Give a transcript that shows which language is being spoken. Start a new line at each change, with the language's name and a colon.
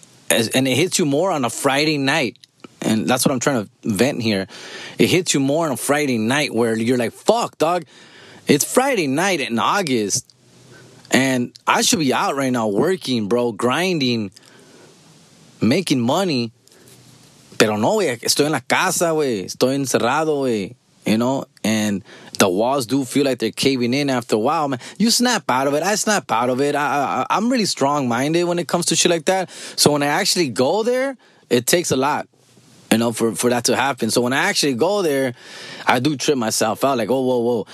English: And it hits you more on a Friday night. And that's what I'm trying to vent here. It hits you more on a Friday night where you're like, fuck, dog. It's Friday night in August. And I should be out right now working, bro, grinding, making money.
Spanish: Pero no, wey, estoy en la casa, wey. Estoy encerrado, wey.
English: You know? And the walls do feel like they're caving in after a while, man. You snap out of it. I snap out of it. I'm really strong-minded when it comes to shit like that. So when I actually go there, it takes a lot, you know, for that to happen. So when I actually go there, I do trip myself out. Like, oh, whoa, whoa.